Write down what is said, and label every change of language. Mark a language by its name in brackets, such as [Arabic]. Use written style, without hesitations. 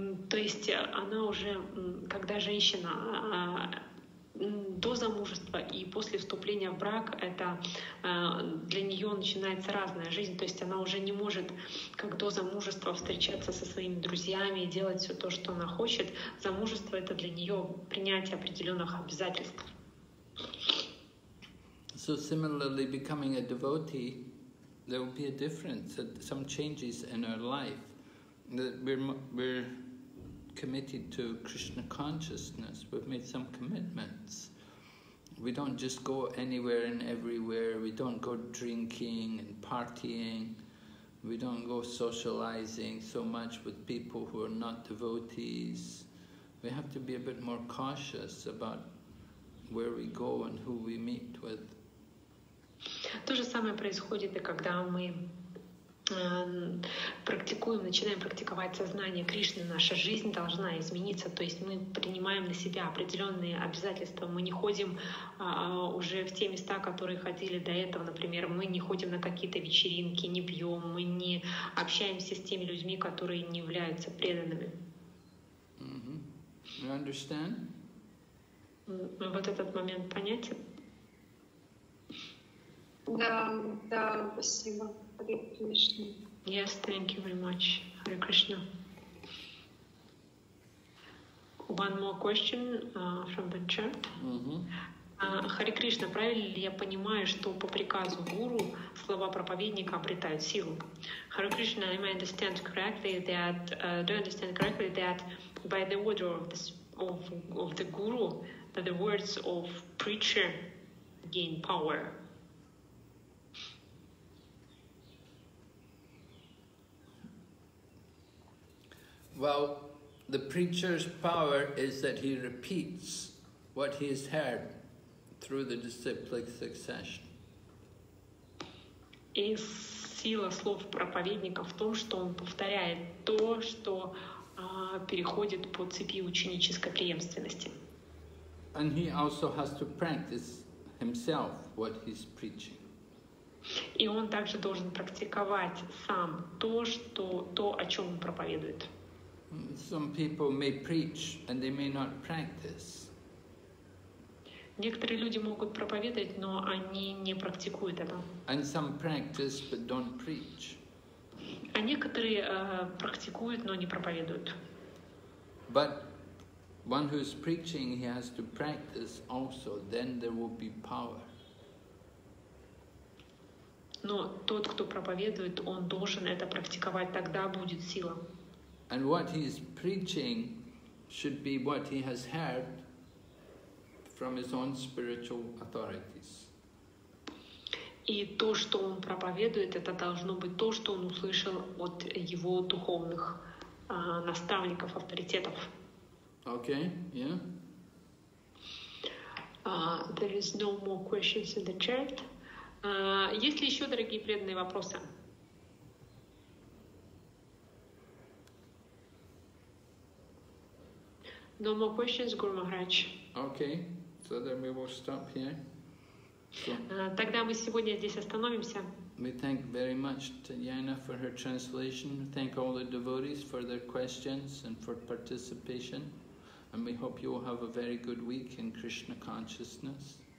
[Russian] То есть она уже, когда женщина до замужества и после вступления в брак, это для нее начинается разная жизнь. То есть она уже не может, как до замужества, встречаться со своими друзьями и делать все то, что она хочет. Замужество — это для нее принятие определенных обязательств. [English] So similarly, becoming a devotee, there will be a difference, some changes in our life. That we're committed to Krishna consciousness. We've made some commitments. We don't just go anywhere and everywhere. We don't go drinking and partying. We don't go socializing so much with people who are not devotees. We have to be a bit more cautious about where we go and who we meet with. [Russian] То же самое происходит, и когда мы практикуем, начинаем практиковать сознание Кришны, наша жизнь должна измениться, то есть мы принимаем на себя определенные обязательства, мы не ходим уже в те места, которые ходили до этого, например, мы не ходим на какие-то вечеринки, не пьем, мы не общаемся с теми людьми, которые не являются преданными. [English] Mm-hmm. You understand? [Russian] Вот этот момент понятен? Да, спасибо. [English] Hare Krishna. Yes, thank you very much. Hare Krishna. One more question from the chat. [Russian] Hare Krishna, правильно ли я понимаю, что по приказу гуру слова проповедника обретают силу? [English] Hare Krishna, am I understand correctly that by the order of this of the guru that the words of preacher gain power? Well, the preacher's power is that he repeats what he has heard through the disciplic succession. [Russian] И сила слов проповедника в том, что он повторяет то, что переходит по цепи ученической преемственности. [English] And he also has to practice himself what he's preaching. [Russian] И он также должен практиковать сам то, что то, о чем он проповедует. [English] Some people may preach and they may not practice. [Russian] Некоторые люди могут проповедовать, но они не практикуют это. [English] And some practice but don't preach. [Russian] А некоторые практикуют, но не проповедуют. [English] But one who is preaching, he has to practice also, then there will be power. [Russian] Но тот, кто проповедует, он должен это практиковать, тогда будет сила. [English] And what he is preaching should be what he has heard from his own spiritual authorities. [Russian] И то, что он проповедует, это должно быть то, что он услышал от его духовных наставников, авторитетов. [English] Okay, yeah. There is no more questions in the chat. [Russian] Есть ли еще, дорогие преданные, вопросы? [English] No more questions, Guru Maharaj. Okay, so then we will stop here. [Russian] Тогда мы сегодня здесь остановимся. [English] We thank very much Tatyana for her translation. Thank all the devotees for their questions and for participation. And we hope you will have a very good week in Krishna consciousness.